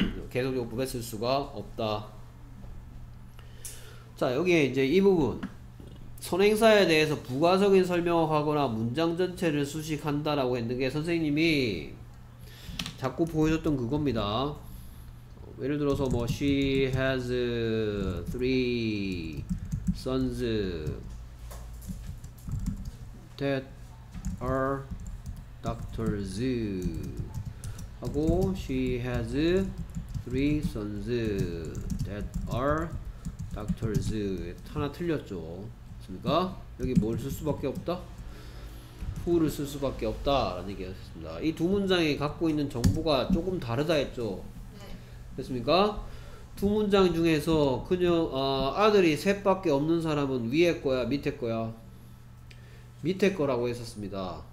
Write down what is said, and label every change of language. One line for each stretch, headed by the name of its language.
Korean: 계속적법에 쓸 수가 없다. 자, 여기에 이제 이 부분 선행사에 대해서 부가적인 설명을 하거나 문장 전체를 수식한다라고 했는 게 선생님이 자꾸 보여줬던 그겁니다. 예를 들어서 뭐
English: she has three sons that are doctors
Korean: 하고
English: she has three sons that are doctors.
Korean: 하나 틀렸죠. 맞습니까? 여기 뭘 쓸 수밖에 없다? who를 쓸 수밖에 없다 라는 얘기였습니다. 이 두 문장이 갖고 있는 정보가 조금 다르다 했죠. 됐습니까? 두 문장 중에서 그녀 아들이 셋밖에 없는 사람은 위에 거야 밑에 거야? 밑에 거라고 했었습니다.